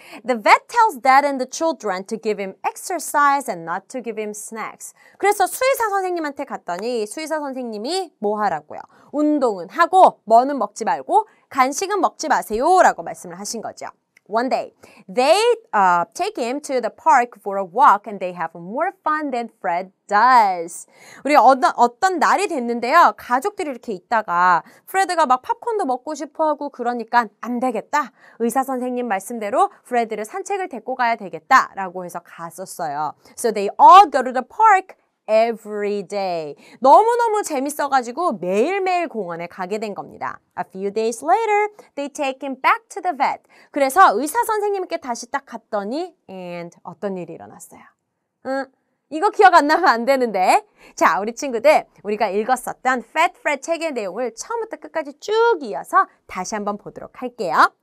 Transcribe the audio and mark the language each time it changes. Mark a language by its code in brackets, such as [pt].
[en] The vet tells Dad and the children to give him exercise and not to give him snacks. [ko] 그래서 수의사 선생님한테 갔더니 수의사 선생님이 뭐 하라고요? 운동은 하고 뭐는 먹지 말고 간식은 먹지 마세요 라고 말씀을 하신 거죠. [en] One day, they take him to the park for a walk and they have more fun than Fred does. [ko] 우리 어떤 날이 됐는데요. 가족들이 이렇게 있다가 프레드가 막 팝콘도 먹고 싶어 하고 그러니까 안 되겠다. 의사 선생님 말씀대로 프레드를 산책을 데리고 가야 되겠다 라고 해서 갔었어요. [en] So they all go to the park every day. [ko] 너무너무 재밌어가지고 매일매일 공원에 가게 된 겁니다. [en] A few days later, they take him back to the vet. [ko] 그래서 의사 선생님께 다시 딱 갔더니 and 어떤 일이 일어났어요? 이거 기억 안 나면 안 되는데. 자, 우리 친구들, 우리가 읽었었던 Fat Fred 책의 내용을 처음부터 끝까지 쭉 이어서 다시 한번 보도록 할게요.